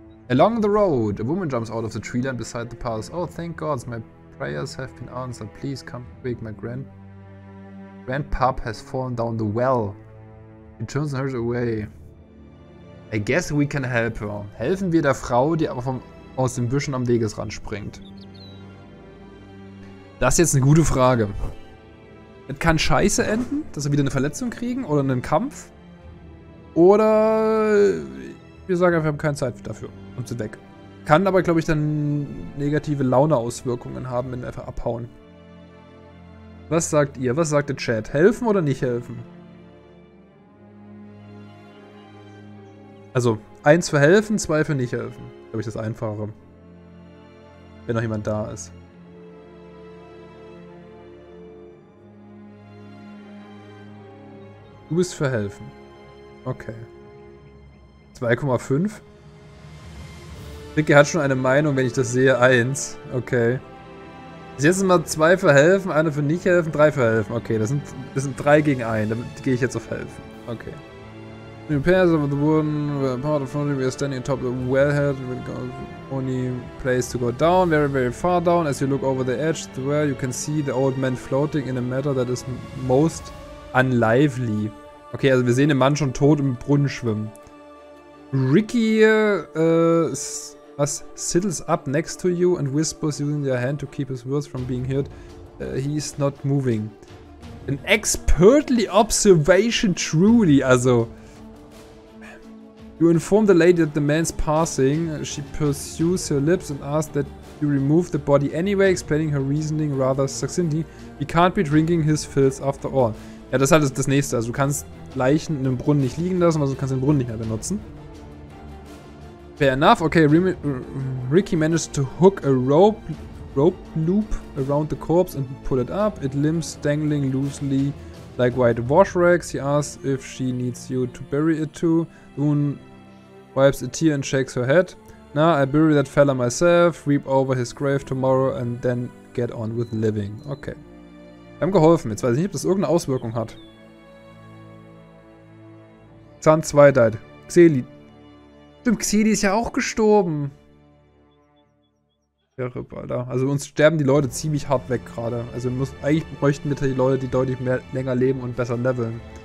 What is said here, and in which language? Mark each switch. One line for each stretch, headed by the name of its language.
English: Along the road, a woman jumps out of the tree line beside the path. Oh, thank God, my prayers have been answered. Please come quick, my grandpa has fallen down the well. He turns and hurries away. I guess we can help her.
German: Helfen wir der Frau, die aber aus den Büschen am Wegesrand springt. Das ist jetzt eine gute Frage. Es kann scheiße enden, dass wir wieder eine Verletzung kriegen oder einen Kampf. Oder wir sagen einfach, wir haben keine Zeit dafür und sind weg. Kann aber, glaube ich, dann negative Launeauswirkungen haben, wenn wir einfach abhauen. Was sagt ihr? Was sagt der Chat? Helfen oder nicht helfen? Also, 1 für helfen, 2 für nicht helfen. Glaube ich, das Einfachere. Wenn noch jemand da ist. Du bist für helfen. Okay. 2,5. Ricky hat schon eine Meinung, wenn ich das sehe. 1. Okay. Bis jetzt sind mal 2 für helfen, 1 für nicht helfen, 3 für helfen. Okay, das sind 3 gegen 1. Damit gehe ich jetzt auf helfen. Okay.
English: The repairs of the wooden part of the front, we are standing atop the wellhead, the only place to go down, very, very far down. As you look over the edge, the well, you can see the old man floating in a matter that is most unlively. Okay,
German: also wir sehen den Mann schon tot im Brunnen schwimmen.
English: Ricky sits up next to you and whispers using their hand to keep his words from being heard. He is not moving. An expertly observation, truly, also. You inform the lady that the man's passing. She pursues her lips and asks that you remove the body anyway, explaining her reasoning rather succinctly. He can't be drinking his fills after all.
German: Ja, das ist halt das Nächste. Also du kannst Leichen in einem Brunnen nicht liegen lassen, also du kannst den Brunnen nicht mehr benutzen.
English: Fair enough. Okay, Ricky managed to hook a rope loop around the corpse and pull it up. It limps dangling loosely like white wash rags. He asks if she needs you to bury it too. Loon wipes a tear and shakes her head. Now I bury that fella myself, weep over his grave tomorrow and then get on with living.
German: Okay. Wir haben geholfen. Jetzt weiß ich nicht, ob das irgendeine Auswirkung hat. Xan 2 died. Xeli. Stimmt, Xeli ist ja auch gestorben. Ja, Ripp, Alter. Also uns sterben die Leute ziemlich hart weg gerade. Also wir müssen, eigentlich bräuchten wir die Leute, die deutlich mehr, länger leben und besser leveln.